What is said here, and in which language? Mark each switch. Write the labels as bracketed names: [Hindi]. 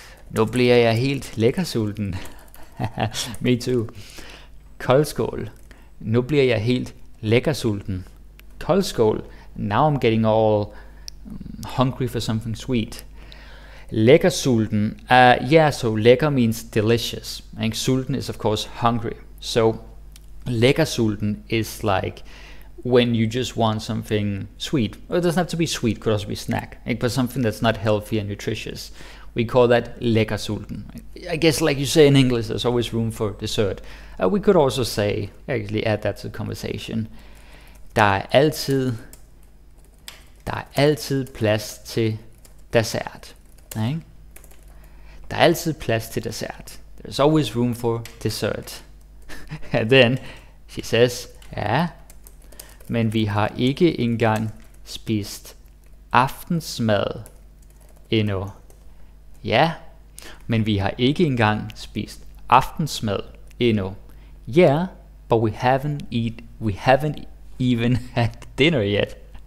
[Danish] Nu bliver jeg helt lækkersulten. [English] Me too. [Danish] Koldskål. Nu bliver jeg helt lækkersulten. Koldskål. [English] Now I'm getting all hungry for something sweet. Lækkersulten. So lækker means delicious. And sulten is of course hungry. So lækkersulten is like when you just want something sweet. Well, it doesn't have to be sweet, could also be snack. Like, but something that's not healthy and nutritious. We call that lækkersulten. I guess like you say in English, there's always room for dessert. We could also say, actually add that to the conversation. [Danish] Der er altid plads til dessert. Right? Der er altid plads til dessert. [English] There's always room for dessert. And then she says, [Danish] ja, men vi har ikke engang spist aftensmad endnu. Ja, men vi har ikke engang spist aftensmad endnu. [English] Yeah, but we haven't even had dinner yet.